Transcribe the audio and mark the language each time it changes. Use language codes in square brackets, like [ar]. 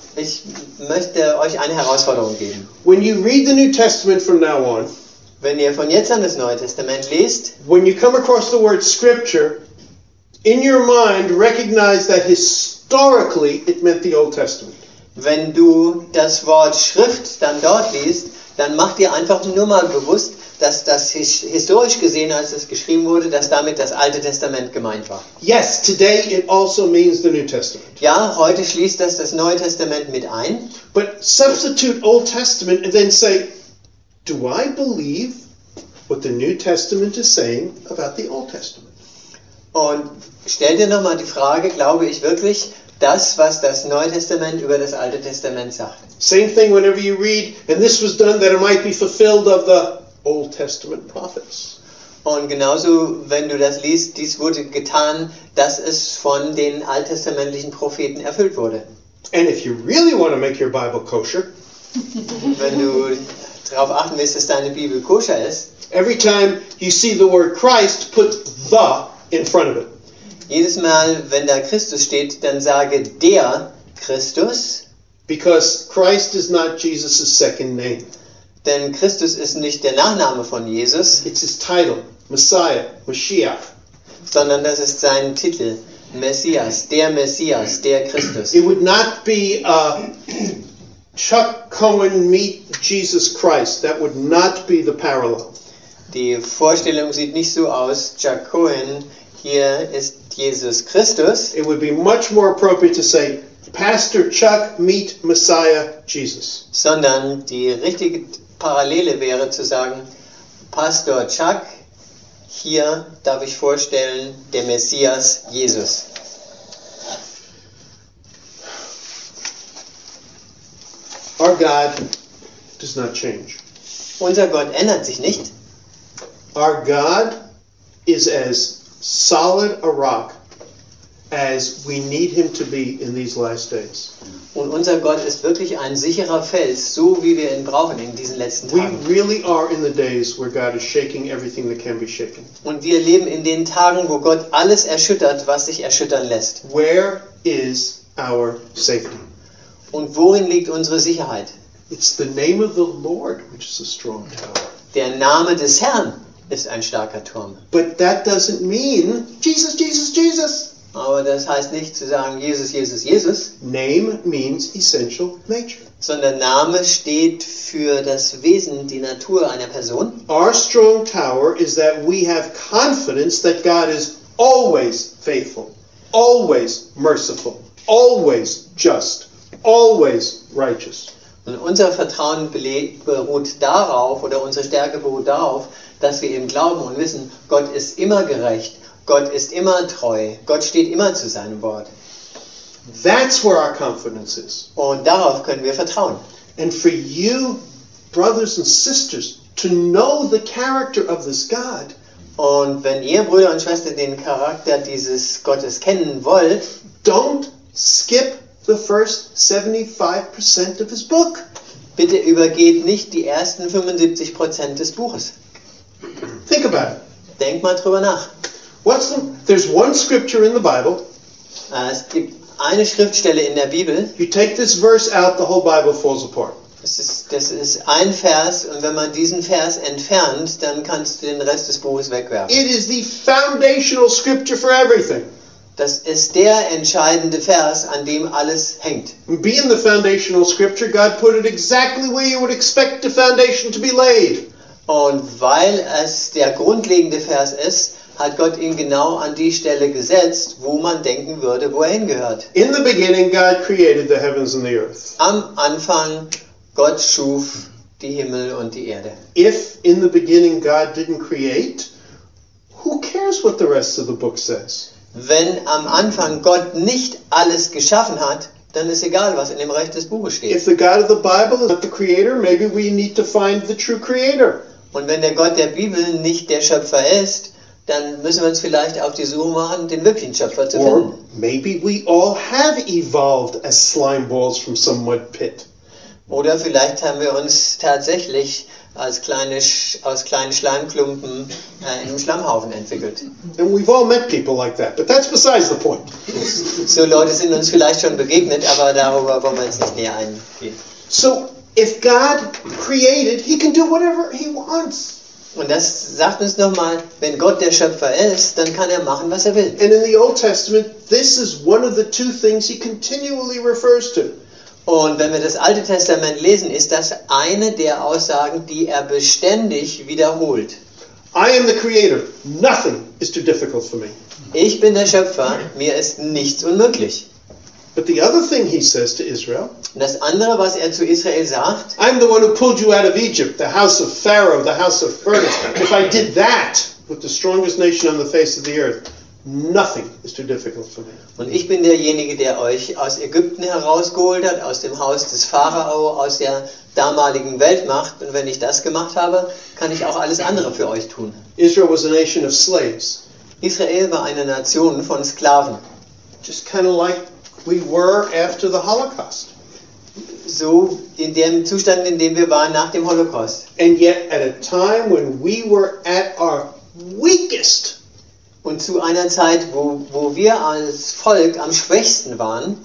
[de] Ich möchte euch eine Herausforderung geben. [en] When you read the New Testament from now on, [de] wenn ihr von jetzt an das Neue Testament liest, [en] when you come across the word scripture, in your mind recognize that historically it meant the Old Testament. [de] Wenn du das Wort Schrift dann dort liest, dann mach dir einfach nur mal bewusst, dass das historisch gesehen, als es geschrieben wurde, dass damit das Alte Testament gemeint war. [en] Yes, today it also means the New Testament. [de] Ja, heute schließt das das Neue Testament mit ein. [en] But substitute Old Testament and then say, do I believe what the New Testament is saying about the Old Testament? [de] Und stell dir nochmal die Frage, glaube ich wirklich, das, was das Neue Testament über das Alte Testament sagt. [en] Same thing whenever you read, and this was done that it might be fulfilled of the Old Testament prophets. [de] Und genauso, wenn du das liest, dies wurde getan, dass es von den alttestamentlichen Propheten erfüllt wurde. [en] And if you really want to make your Bible kosher, [de] wenn du darauf achten willst, dass deine Bibel koscher ist, [en] every time you see the word Christ, put the in front of it. [de] Jedes Mal, wenn da Christus steht, dann sage der Christus. [en] Because Christ is not Jesus' second name. [de] Denn Christus ist nicht der Nachname von Jesus. [en] It's his title, Messiah, Mashiach. [de] Sondern das ist sein Titel, Messias, der Christus. [en] It would not be Chuck Cohen meet Jesus Christ. That would not be the parallel. [de] Die Vorstellung sieht nicht so aus, Chuck Cohen. Hier ist Jesus Christus. [en] It would be much more appropriate to say, Pastor Chuck, meet Messiah Jesus. [de] Sondern die richtige Parallele wäre zu sagen, Pastor Chuck, hier darf ich vorstellen, der Messias Jesus. [en] Our God does not change. [de] Unser Gott ändert sich nicht. [en] Our God is as solid a rock as we need him to be in these last days. [de] Und unser Gott ist wirklich ein sicherer Fels, so wie wir ihn brauchen in diesen letzten Tagen. [en] We really are in the days where God is shaking everything that can be shaken. [de] Und wir leben in den Tagen, wo Gott alles erschüttert, was sich erschüttern lässt. [en] Where is our safety? [de] Und worin liegt unsere Sicherheit? [en] It's the name of the Lord which is a strong tower. [de] Der Name des Herrn ist ein starker Turm. [en] But that doesn't mean Jesus, Jesus, Jesus. [de] Aber das heißt nicht zu sagen Jesus, Jesus, Jesus. [en] Name means essential nature. [de] Sondern Name steht für das Wesen, die Natur einer Person. [en] Our strong tower is that we have confidence that God is always faithful, always merciful, always just, always righteous. [de] Und unser Vertrauen beruht darauf, oder unsere Stärke beruht darauf, dass wir ihm glauben und wissen, Gott ist immer gerecht, Gott ist immer treu, Gott steht immer zu seinem Wort. [en] That's where our confidence is. [de] Und darauf können wir vertrauen. [en] And for you, brothers and sisters, to know the character of this God. [de] Und wenn ihr, Brüder und Schwestern, den Charakter dieses Gottes kennen wollt, [en] don't skip the first 75% of his book. [de] Bitte übergeht nicht die ersten 75% des Buches. [en] Think about it. [de] Denk mal drüber nach. [en] There's one scripture in the Bible. [de] Es gibt eine Schriftstelle in der Bibel. [en] You take this verse out, the whole Bible falls apart. [de] Das ist ein Vers, und wenn man diesen Vers entfernt, dann kannst du den Rest des Buches wegwerfen. [en] It is the foundational scripture for everything. [de] Das ist der entscheidende Vers, an dem alles hängt. [en] Being the foundational scripture, God put it exactly where you would expect the foundation to be laid. [de] Und weil es der grundlegende Vers ist, hat Gott ihn genau an die Stelle gesetzt, wo man denken würde, wo er hingehört. [en] In the beginning God created the heavens and the earth. [de] Am Anfang Gott schuf die Himmel und die Erde. [en] If in the beginning God didn't create, who cares what the rest of the book says? [de] Wenn am Anfang Gott nicht alles geschaffen hat, dann ist egal, was in dem Rest des Buches steht. [en] If the God of the Bible is not the creator, maybe we need to find the true creator. [de] Und wenn der Gott der Bibel nicht der Schöpfer ist, dann müssen wir uns vielleicht auf die Suche machen, den wirklichen Schöpfer zu finden. [en] Or maybe we all have evolved as slime balls from some mud pit. [de] Oder vielleicht haben wir uns tatsächlich aus kleinen Schleimklumpen in einem Schlammhaufen entwickelt. [en] And we've all met people like that, but that's besides the point. [de] So Leute sind uns vielleicht schon begegnet, aber darüber wollen wir uns nicht näher eingehen. [en] So if God created, he can do whatever he wants. [de] Und das sagt uns nochmal, wenn Gott der Schöpfer ist, dann kann er machen, was er will. [en] And in the Old Testament, this is one of the two things he continually refers to. [de] Und wenn wir das Alte Testament lesen, ist das eine der Aussagen, die er beständig wiederholt. [en] I am the creator. Nothing is too difficult for me. [de] Ich bin der Schöpfer, mir ist nichts unmöglich. [en] But the other thing he says to Israel, [de] das andere, was er zu Israel sagt, [en] I'm the one who pulled you out of Egypt, the house of Pharaoh, the house of Pharaoh. If I did that with the strongest nation on the face of the earth, nothing is too difficult for me. [de] Und ich bin derjenige, der euch aus Ägypten herausgeholt hat, aus dem Haus des Pharao, aus der damaligen Weltmacht. Und wenn ich das gemacht habe, kann ich auch alles andere für euch tun. [en] Israel was a nation of slaves. [de] Israel war eine Nation von Sklaven. [en] Just kind of like we were after the Holocaust. [de] So in dem Zustand, in dem wir waren nach dem Holocaust. [en] And yet at a time when we were at our weakest. [de] Und zu einer Zeit, wo wir als Volk am schwächsten waren,